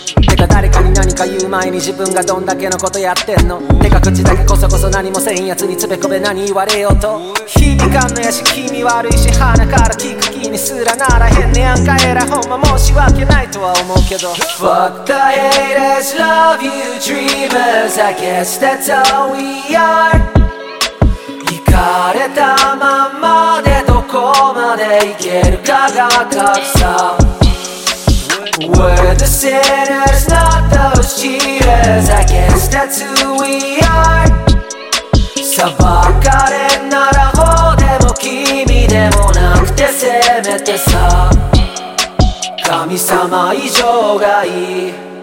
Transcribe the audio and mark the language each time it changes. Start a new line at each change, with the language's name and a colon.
Japanese: てか誰かに何か言う前に自分がどんだけのことやってんの、てか口だけこそこそ何もせんやつにつべこべ何言われようと、響かんのやし気味悪いし鼻から聞く気にすらならへんねやんか、えらほんま申し訳ないとは思うけど、
English: Fuck the haters, love you dreamers, I guess that's all we are。
Japanese: イカれたまんまでどこまでいけるかが格差。
English: We're the sinners, not those cheaters, I guess that's who we are。
Japanese: 裁かれんなら法でも君でもなくて、せめてさ神様以上がいい。